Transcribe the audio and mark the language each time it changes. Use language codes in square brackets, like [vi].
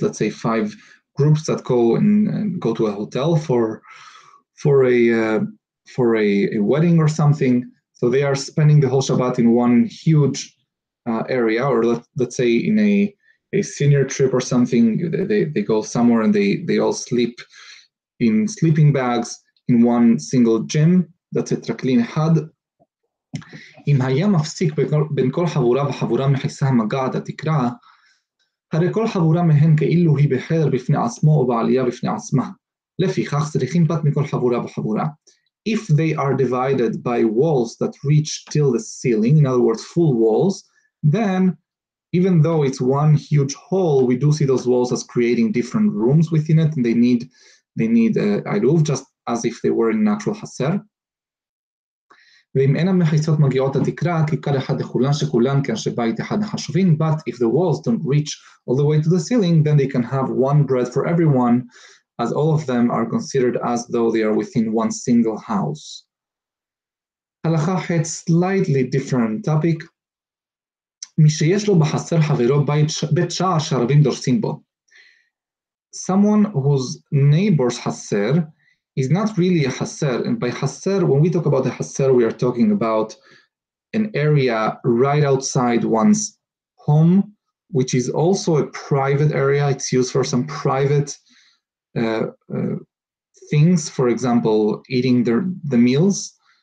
[en] Let's say five groups that go and go to a hotel for a wedding or something. So they are spending the whole Shabbat in one huge area, or let's say in a senior trip or something, they go somewhere and they all sleep in sleeping bags in one single gym. That's a traklin had. [he] אם היה מפסיק בין כל חבורה וחבורה מחיסה המגעת התקרה, הרי כל חבורה מהן כאילו היא בחדר בפני עצמו או בעלייה בפני עצמה. לפיכך צריכים פת מכל חבורה וחבורה. [en] If they are divided by walls that reach till the ceiling, in other words, full walls, then even though it's one huge hall, we do see those walls as creating different rooms within it, and they need Eruv, just as if they were in natural Hatser. [he] ואם אין המחיצות מגיעות לתקרה, כיכר אחד לכולן שכולן כאנשי בית אחד החשובים, [en] but if the walls don't reach all the way to the ceiling, then they can have one bread for everyone, as all of them are considered as though they are within one single house. [he] הלכה אחת, [en] slightly different topic. [he] מי שיש לו בחסר חברו בית שער שערבים דורסים בו. [en] Someone whose neighbor's חסר is not really a חסר, and by חסר, when we talk about the חסר, we are talking about an area right outside one's home, which is also a private area. It's used for some private things, for example, eating the meals.